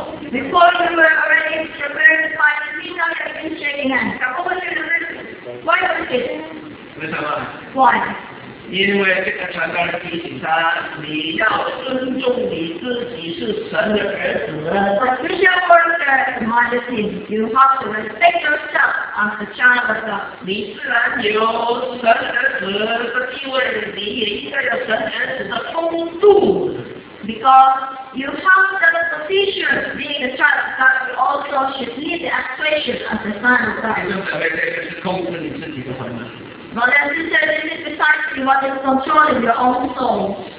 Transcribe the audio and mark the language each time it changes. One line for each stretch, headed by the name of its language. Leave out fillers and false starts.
English: Before you were already prepared to fight, you see now you have been shaking hands. Why was it? Why?
Chinese: 因为这个传道人提醒他，你要尊重你自己是神的儿子。
English: Patricia Parker reminded him, you have to respect yourself as a child of God.
Chinese: 你自然有神儿子的地位，你也应该有神儿子的风度。
English: Because you have the position of being a child of God, you also should meet the aspiration of the son of God. But as you said, this is precisely what is controlling your own soul.